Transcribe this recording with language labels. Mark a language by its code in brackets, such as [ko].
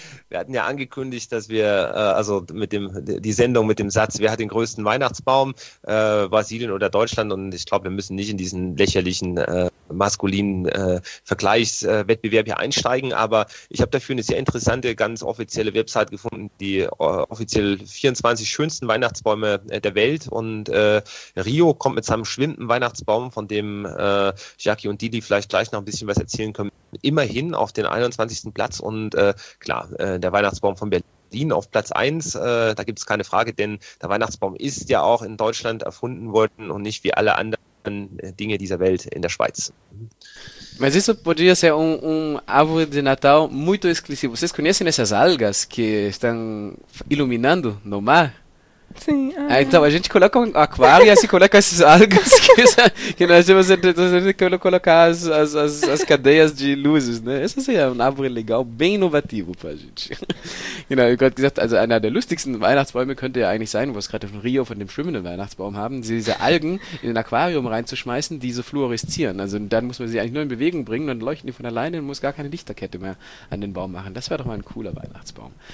[de] Wir hatten ja angekündigt, dass wir, also mit dem, die Sendung mit dem Satz, wer hat den größten Weihnachtsbaum, Brasilien oder Deutschland, und ich glaube, wir müssen nicht in diesen lächerlichen, maskulinen Vergleichswettbewerb hier einsteigen, aber ich habe dafür eine sehr interessante, ganz offizielle Website gefunden, die offiziell 24 schönsten Weihnachtsbäume der Welt, und Rio kommt mit seinem schwimmenden Weihnachtsbaum, von dem Jackie und Didi vielleicht gleich noch ein bisschen was erzählen können, immerhin auf den 21. Platz, und klar, der Weihnachtsbaum von Berlin auf Platz 1, da gibt es keine Frage, denn der Weihnachtsbaum ist ja auch in Deutschland erfunden worden und nicht wie alle anderen Dinge dieser Welt in der Schweiz. [pt] Mas isso poderia ser árvore de Natal muito exclusivo. Vocês conhecem essas algas que estão iluminando no mar? Sim. Então, a gente coloca um aquário e assim coloca essas algas que nós temos que colocar as cadeias de luzes, né? Essa seria uma árvore legal, bem inovativo para a gente. [de] Enquanto gesagt, also einer der lustigsten Weihnachtsbäume könnte ja eigentlich sein, wo es gerade von Rio, von dem schwimmenden Weihnachtsbaum haben, diese Algen in ein Aquarium reinzuschmeißen, die so fluoreszieren. Also dann muss man sie eigentlich nur in Bewegung bringen, dann leuchten die von alleine und muss gar keine Lichterkette mehr an den Baum machen. Das wäre doch mal ein cooler Weihnachtsbaum.